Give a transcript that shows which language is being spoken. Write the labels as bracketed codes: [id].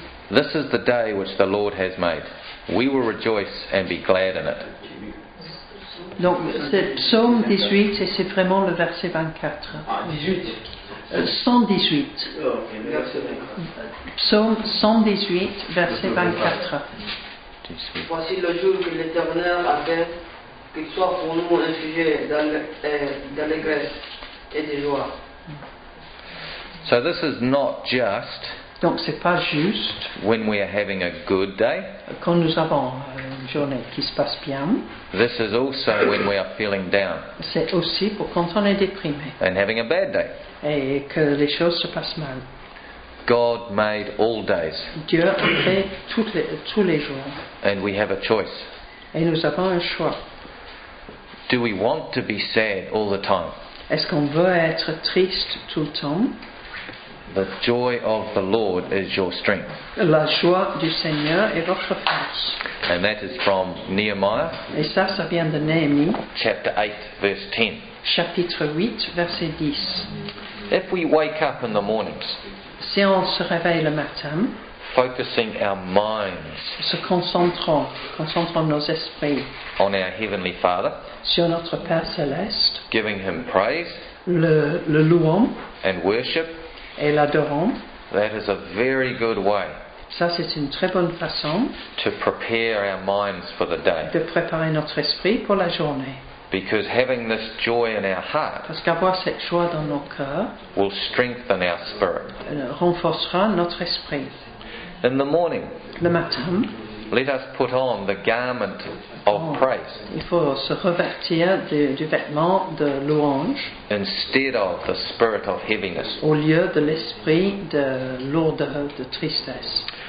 [en] This is the day which the Lord has made. We will rejoice and be glad in it. [fr] Donc c'est Psalm 18 et c'est vraiment le verset 24. Ah, 18. 118. Psaume 118, verset 24. Voici le jour que l'Éternel a fait, qu'il soit pour nous un sujet d'allégresse et de joie. [en] So this is not just. [fr] Donc c'est pas juste. [en] When we are having a good day. [fr] Quand nous avons une journée qui se passe bien. [en] This is also when we are feeling down. [fr] C'est aussi pour quand on est déprimé. [en] And having a bad day. [fr] Et que les choses se passent mal. [en] God made all days. [fr] Dieu a fait tous les jours. [en] And we have a choice. [fr] Et nous avons un choix. [en] Do we want to be sad all the time? [fr] Est-ce qu'on veut être triste tout le temps? [en] The joy of the Lord is your strength. [fr] La joie du Seigneur est votre force. [en] And that is from Nehemiah. [fr] Et ça, ça vient de Néhémie. [en] Chapter 8, verse 10. [fr] Chapitre 8, verset 10. [en] If we wake up in the mornings, [fr] si on se réveille le matin, [en] focusing our minds, [fr] se concentrant nos esprits, [en] on our Heavenly Father, [fr] sur notre Père Céleste, [en] giving Him praise, [fr] le louant, [en] and worship, [fr] et l'adorant, [en] that is a very good way. [fr] Ça, c'est une très bonne façon [en] to prepare our minds for the day. [fr] De préparer notre esprit pour la journée. [en] Because having this joy in our heart, [fr] parce qu'avoir cette joie dans nos cœurs, [en] will strengthen our spirit, [fr] renforcera notre esprit. [en] In the morning, [fr] le matin, [en] let us put on the garment of praise. [fr] Il faut se revêtir du vêtement de louange. [en] Instead of the spirit of heaviness. [fr] Au lieu de l'esprit de lourdeur, de tristesse.